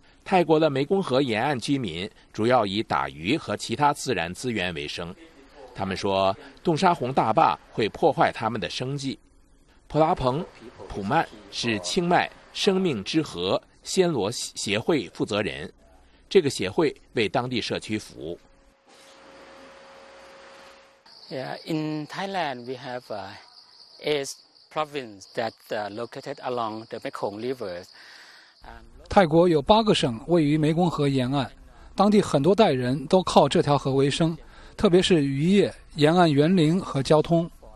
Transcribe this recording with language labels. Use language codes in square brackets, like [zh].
[zh] 泰国的湄公河沿岸居民主要以打鱼和其他自然资源为生，他们说洞沙洪大坝会破坏他们的生计。普拉彭普曼是清迈生命之河暹罗协会负责人，这个协会为当地社区服务。 [en] In Thailand we have a province that located along the Mekong River. [zh] 泰国有8个省位于湄公河沿岸，当地很多代人都靠这条河为生，特别是渔业、沿岸园林和交通。